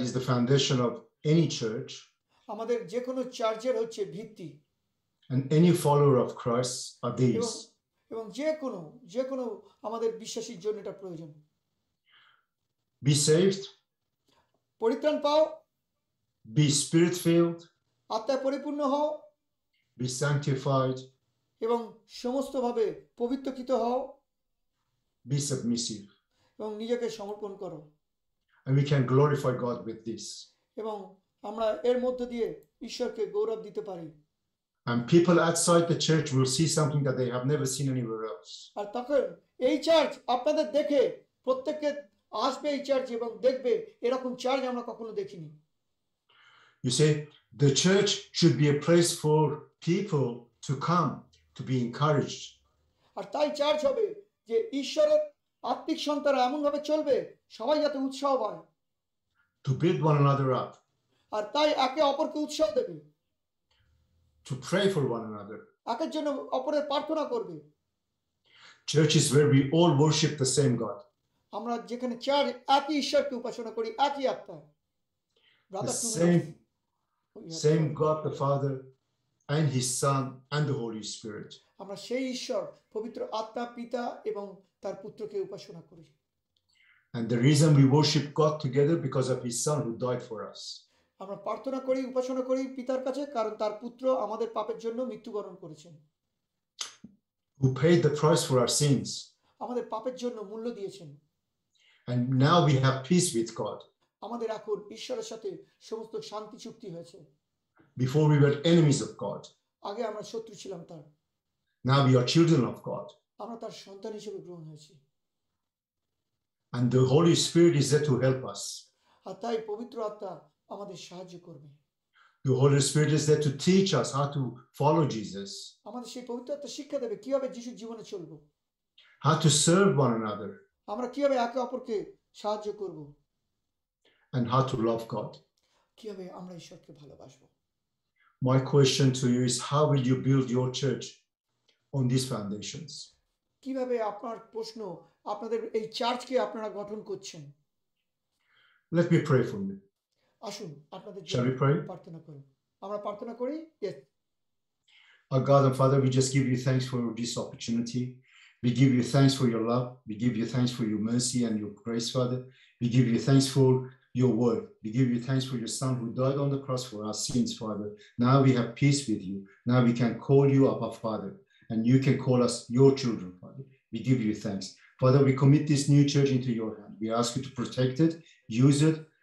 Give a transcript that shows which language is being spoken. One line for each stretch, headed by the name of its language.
English: is the foundation of any church
Bangla: আমাদের যে কোনো চার্চের হচ্ছে ভিত্তি
English: and any follower of Christ are these
Bangla: এবং যে কোনো আমাদের বিশ্বাসীর জন্য এটা প্রয়োজন
English: be saved
Bangla: পরিত্রাণ পাও
English: be spirit filled
Bangla: আত্মায় পরিপূর্ণ হও
English: be sanctified
Bangla: এবং সমস্তভাবে পবিত্রকৃত হও
English: be submissive
Bangla: এবং নিজেকে সমর্পণ করো
English: and we can glorify god with this
Bangla: এবং আমরা এর মধ্য দিয়ে ঈশ্বরকে গৌরব দিতে পারি
English: and people outside the church will see something that they have never seen anywhere else
Bangla: আর তখন এই চার্চ আপনাদের দেখে প্রত্যেককে আসবে এই চার্চ এবং দেখবে এরকম চার্চ আমরা কখনো দেখিনি
English: you see the church should be a place for people to come to be encouraged
Bangla: আর তাই চার্চ হবে যে ঈশ্বরের আত্মিক সন্তানরা এমন ভাবে চলবে সবাই যাতে উৎসাহ পায়
English: to build one another up
Bangla: আর তাই একে অপরকে উৎসাহ দেবে
English: to pray for one another
Bangla: একের জন্য অপরের প্রার্থনা করবে
English: church is where we all worship the same god
Bangla: আমরা যেখানে চার একই ঈশ্বরকে উপাসনা করি একই আত্মা
English: same god the father and his son and the holy spirit
Bangla: আমরা সেই ঈশ্বর পবিত্র আত্মা পিতা এবং তার পুত্রকে উপাসনা করি
English: and the reason we worship god together because of his son who died for us
Bangla: আমরা প্রার্থনা করি উপাসনা করি পিতার কাছে কারণ তার পুত্র আমাদের পাপের জন্য মৃত্যুবরণ করেছেন
English: who paid the price for our sins
Bangla: আমাদের পাপের জন্য মূল্য দিয়েছেন
English: and now we have peace with god
Bangla: আমাদের এখন ঈশ্বরের সাথে সমস্ত শান্তি চুক্তি হয়েছে
English: before we were enemies of god
Bangla: আগে আমরা শত্রু ছিলাম তার
English: now we are children of god
Bangla: আমরা তার সন্তান হিসেবে গ্রহণ হয়েছি
English: and the holy spirit is there to help us
Bangla: আর তাই পবিত্র আত্মা আমাদের সাহায্য করবে
English: the holy spirit is there to teach us how to follow jesus
Bangla: আমাদের সেই পবিত্র আত্মা শিক্ষা দেবে কিভাবে যিশুর জীবনে চলব
English: how to serve one another
Bangla: আমরা কিভাবে একে অপরকে সাহায্য করব
English: and how to love god
Bangla: কিভাবে আমরা ঈশ্বরকে ভালোবাসব
English: my question to you is how will you build your church on these foundations
Bangla: কিভাবে আপনার প্রশ্ন আপনাদের এই চার্চকে আপনারা গঠন করছেন
English: let me pray for you
Bangla: আসুন আপনাদের জন্য প্রার্থনা করি আমরা প্রার্থনা করি yes
English: our god and father we just give you thanks for this opportunity we give you thanks for your love we give you thanks for your mercy and your grace father we give you thanks for your word we give you thanks for your son who died on the cross for our sins father now we have peace with you now we can call you abba father and you can call us your children father we give you thanks father we commit this new church into your hand we ask you to protect it use it